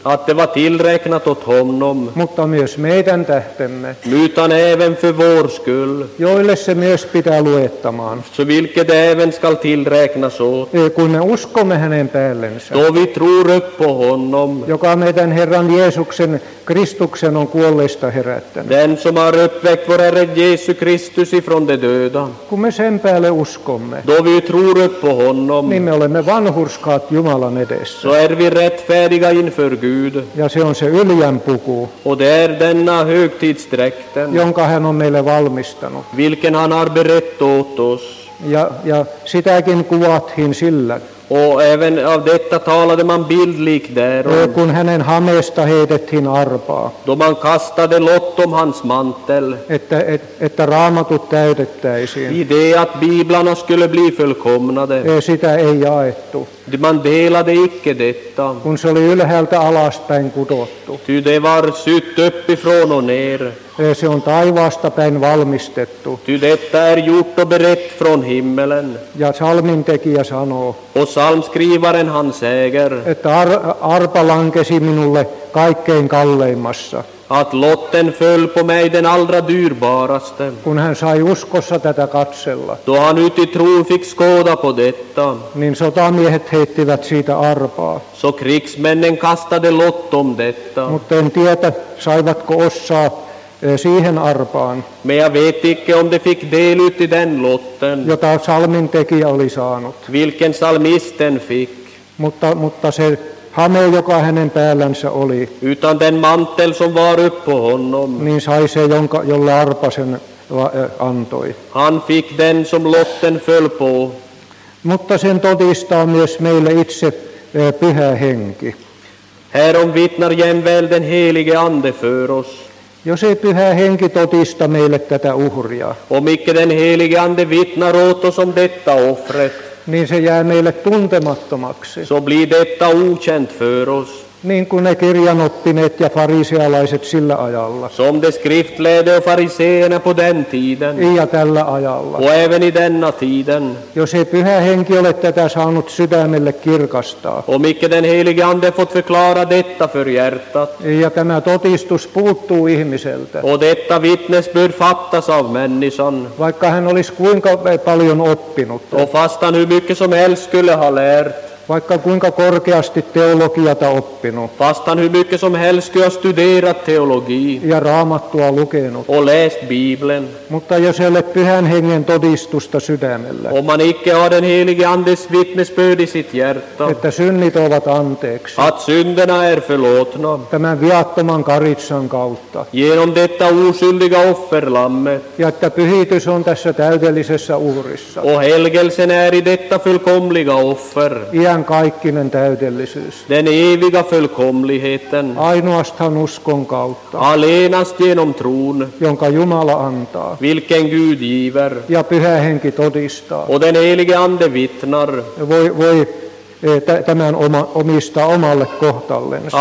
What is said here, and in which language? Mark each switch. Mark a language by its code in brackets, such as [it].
[sv] Att det var tillräknat åt honom. [fi] Mutta myös meidän tähtemme. [sv] Utan även för vår skull. [fi] Joille se myös pitää luettamaan. [sv] Så vilket även skall tillräknas åt. [fi] Kun me uskomme hänen päällensä. [sv] Då vi tror på honom. [fi] Joka meidän Herran Jeesuksen Kristuksen on kuolleista herättänyt. [sv] Den som har uppväckt vår Herre Jesu Kristus ifrån de döda. [fi] Kun me sen päälle uskomme. [sv] Då vi tror på honom. [fi] Niin me olemme vanhurskaat Jumalan edessä. [sv] Så är vi rättfärdiga inför Gud. [fi] Ja se on se yljänpuku. [sv] Och det är denna högtidsdräkten. [fi] Jonka hän on meille valmistanut. [sv] Vilken han har berett åt oss. [fi] Ja sitäkin kuvattiin sillä. [sv] Och även av detta talade man bildlik där. [fi] Och kun hänen hameesta heitettiin arpaa. [sv] Då man kastade lott om hans mantel. [fi] Että raamatut täytettäisiin. [sv] I det att biblarna skulle bli fullkomnade. [fi] Sitä ei jaettu. [sv] Man delade icke detta. [fi] Kun se oli ylhäältä alaspäin kudottu. [sv] Ty det var sytt uppifrån och ner. [fi] Se on taivaasta päin valmistettu. [sv] Ty detta är gjort och berett från himmelen. [fi] Ja psalmin tekijä sanoo. [sv] Och psalmskrivaren han säger. [fi] Että arpa lankesi minulle kaikkein kalleimmassa. [sv] Att lotten föll på mig den allra dyrbaraste. [fi] Kun hän sai uskossa tätä katsella. [sv] Då han ut i tron fick skåda på detta. [fi] Niin sotamiehet heittivät siitä arpaa. [sv] Så krigsmännen kastade lott om detta. [fi] Mutta en tiedä, saivatko ossaa siihen arpaan. [sv] Men jag vet icke om de fick del ut i den lotten. [fi] Jota psalmin tekijä oli saanut. [sv] Vilken psalmisten fick. [fi] Mutta se hame, joka hänen päällänsä oli. [sv] Utan den mantel som var uppå honom. [fi] Niin sai se, jolle arpa sen antoi. [sv] Han fick den som lotten föll på. [fi] Mutta sen todistaa myös meille itse pyhä henki. [sv] Härom vittnar jämväl den helige ande för oss. [fi] Jos ei pyhä henki todista meille tätä uhria. [sv] Om icke den helige ande vittnar åt oss om detta offret. [fi] Niin se jää meille tuntemattomaksi. [sv] Så blir detta okänt för oss. [fi] Niin kuin ne kirjanoppineet ja farisealaiset sillä ajalla. [sv] Som de skriftlärde och fariseerna på den tiden. [fi] Ja tällä ajalla. [sv] Och även i denna tiden. [fi] Jos ei pyhä henki ole tätä saanut sydämelle kirkastaa. [sv] Om icke den helige ande fått förklara detta för hjärtat. [fi] Ja tämä todistus puuttuu ihmiseltä. [sv] Och detta vittnesbörd fattas av människan. [fi] Vaikka hän olisi kuinka paljon oppinut. [sv] Och fastan hur mycket som helst skulle ha lärt. [fi] Vaikka kuinka korkeasti teologiata oppinut. [sv] Fastan hur mycket som helst skulle ha studerat teologi. [fi] Ja raamattua lukenut. [sv] Och läst Bibeln. [fi] Mutta jos ei ole pyhän hengen todistusta sydämellä. [sv] Om man icke har den helige andes vittnesbörd i sitt hjärta. [fi] Että synnit ovat anteeksi. [sv] Att synderna är förlåtna. [fi] Tämän viattoman karitsan kautta. [sv] Genom detta oskyldiga offerlammet. [fi] Ja että pyhitys on tässä täydellisessä uhrissa. [sv] Och helgelsen är i detta fullkomliga offer. [fi] Iän kaikkinen täydellisyys. [sv] Den eviga fullkomligheten. [fi] Ainoastaan uskon kautta. [sv] Allenast genom tron. [fi] Jonka Jumala antaa. [sv] Vilken Gud giver. [fi] Ja pyhä henki todistaa. [sv] Och den helige ande vittnar. [fi] Voi tämän omistaa omalle kohtallensa.